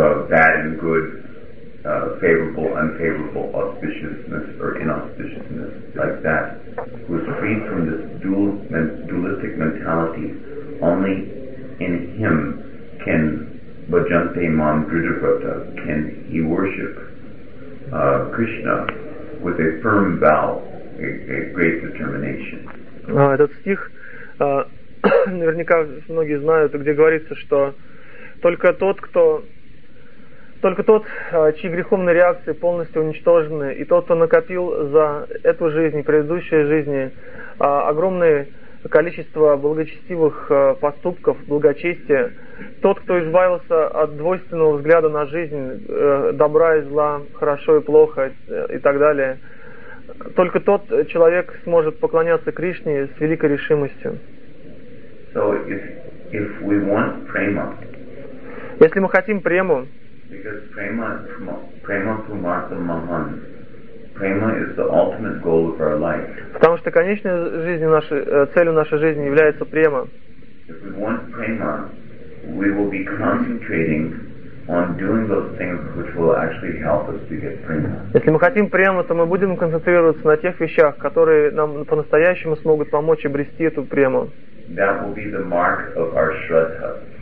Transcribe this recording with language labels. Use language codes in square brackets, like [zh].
[en] bad and good, favorable, unfavorable, auspiciousness or inauspiciousness, like that, who is freed from this dualistic mentality, only in him can Bhajante Mam Drudhavrata, can he worship Krishna with a firm vow, a great determination. [ru] Этот стих, наверняка многие знают, где говорится, что только тот, чьи греховные реакции полностью уничтожены, и тот, кто накопил за эту жизнь, предыдущие жизни, огромное количество благочестивых поступков, благочестия, тот, кто избавился от двойственного взгляда на жизнь, добра и зла, хорошо и плохо и так далее, только тот человек сможет поклоняться Кришне с великой решимостью. [en] So if we want prema, [ru] если мы хотим прему, [en] because prema pramartha mahan, prema is the ultimate goal of our life. [ru] Потому что конечной жизни целью нашей жизни является према. [en] If we want prema, we will be concentrating on doing those things which will actually help us to get prema. [ru] Если мы хотим прему, то мы будем концентрироваться на тех вещах, которые нам по-настоящему смогут помочь обрести эту прему. [en] That will be the mark of our shraddha.